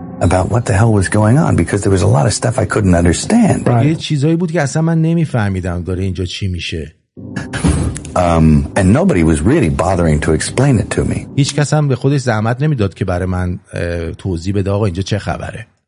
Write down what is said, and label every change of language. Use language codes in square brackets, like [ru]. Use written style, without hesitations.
[en] About what the hell was going on because there was a lot of stuff I couldn't understand. [fa] یه چیزایی بود که اصلا من نمیفهمیدم داره اینجا چی میشه. [en] And nobody was really bothering to explain it to me. [fa] هیچ کس هم به خودش زحمت نمیداد که برای من توضیح بده آقا اینجا چه خبره.